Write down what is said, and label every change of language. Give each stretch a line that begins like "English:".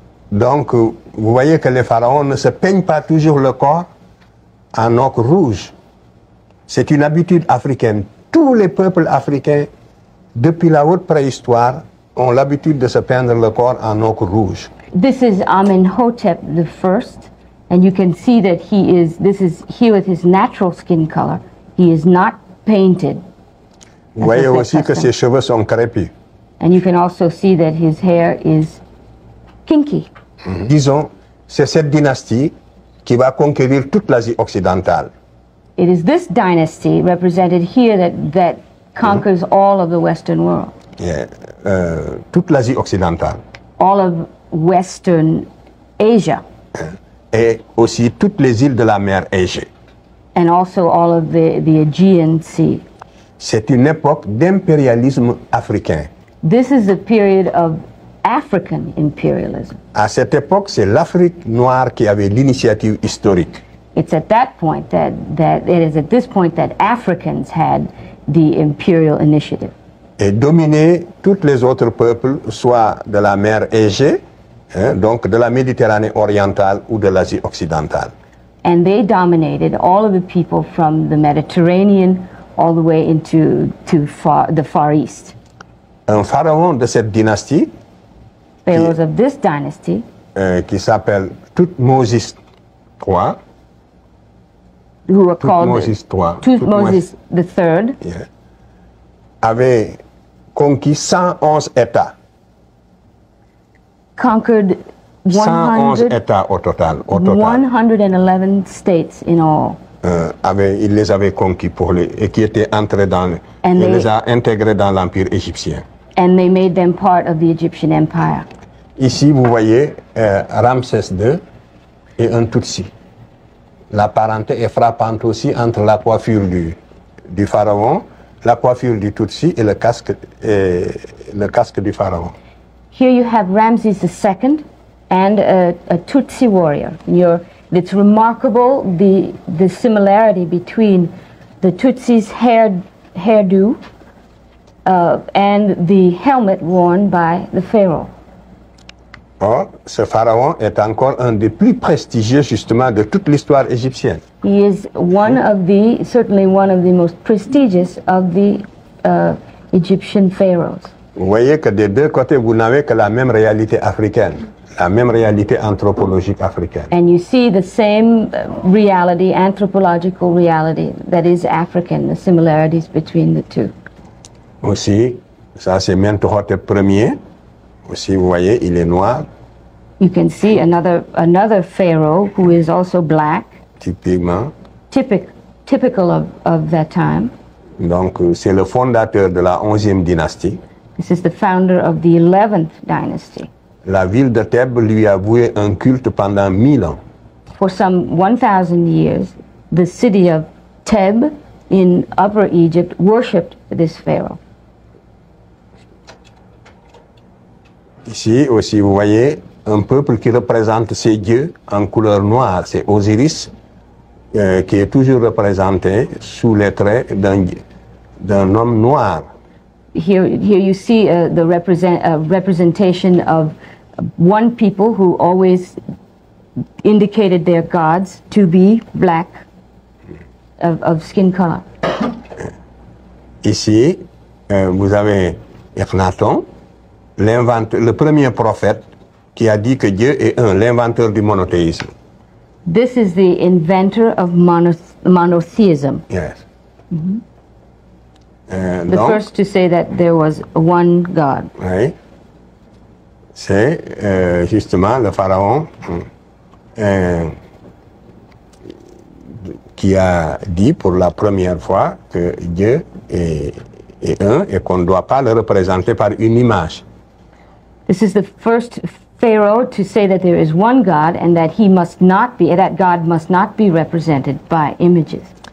French: Donc, vous voyez que les pharaons ne se peignent pas toujours le corps en ocre rouge. C'est une habitude africaine. Tous les peuples africains, depuis la haute préhistoire, ont l'habitude de se peindre le corps en ocre rouge.
English: This is Amenhotep the First, and you can see that this is here with his natural skin color. He is not painted.
French: Vous voyez aussi que ses cheveux sont crépus.
English: And you can also see that his hair is kinky.
French: Disons, c'est cette dynastie qui va conquérir toute l'Asie occidentale.
English: It is this dynasty represented here that conquers all of the Western world.
French: Yeah. Toute l'Asie occidentale.
English: All of Western Asia.
French: Et aussi toutes les îles de la mer Égée.
English: And also all of the Aegean Sea.
French: C'est une époque d'impérialisme africain.
English: This is a period of African imperialism.
French: À cette époque, c'est l'Afrique noire qui avait l'initiative historique.
English: It's at that point it is at this point that Africans had the imperial initiative.
French: Et dominer toutes les autres peuples, soit de la mer Égée, donc de la Méditerranée orientale ou de l'Asie occidentale.
English: And they dominated all of the people from the Mediterranean all the way into the Far East.
French: Un pharaon de cette dynastie,
English: pharaohs of this dynasty,
French: qui s'appelle Thutmose III,
English: who are called Thutmose the Third,
French: avait conquis 111 états.
English: Conquered
French: 111 états au total.
English: 111 states in all.
French: Il les avait conquis pour les et qui étaient entrés dans et les a intégrés dans l'empire égyptien.
English: And they made them part of the Egyptian Empire.
French: Ici, vous voyez Ramsès II et un Tutsi. La parenté est frappante aussi entre la coiffure du pharaon, la coiffure du Tutsi et le casque du pharaon.
English: Here you have Ramses II and a Tutsi warrior. It's remarkable the similarity between the Tutsi's hairdo and the helmet worn by the pharaoh.
French: Or, ce pharaon est encore un des plus prestigieux, justement, de toute l'histoire égyptienne.
English: He is certainly one of the most prestigious of the Egyptian pharaohs.
French: Vous voyez que des deux côtés, vous n'avez que la même réalité africaine, la même réalité anthropologique africaine.
English: And you see the same reality, anthropological reality, that is African, the similarities between the two.
French: Aussi, ça c'est Mentuhotep Ier. Aussi, vous voyez, il est noir.
English: You can see another pharaoh who is also black.
French: Typiquement.
English: Typical of that time.
French: Donc, c'est le fondateur de la 11e dynastie.
English: This is the founder of the 11th dynasty.
French: La ville de Thèbes lui a voué un culte pendant 1000 ans.
English: For some 1,000 years, the city of Thèbes in Upper Egypt worshipped this pharaoh.
French: Ici aussi, vous voyez, un peuple qui représente ces dieux en couleur noire, c'est Osiris, qui est toujours représenté sous les traits d'un homme noir.
English: Here you see the representation of one people who always indicated their gods to be black, of skin color.
French: Ici, vous avez Akhenaton, le premier prophète qui a dit que Dieu est un, l'inventeur du monothéisme.
English: This is the inventor of monotheism. Yes. Mm-hmm. The first to say that there was one God.
French: Oui. C'est justement le pharaon qui a dit pour la première fois que Dieu est un et qu'on ne doit pas le représenter par une image.
English: This is the first pharaoh to say that there is one God and that he must not be, that God must not be represented by images.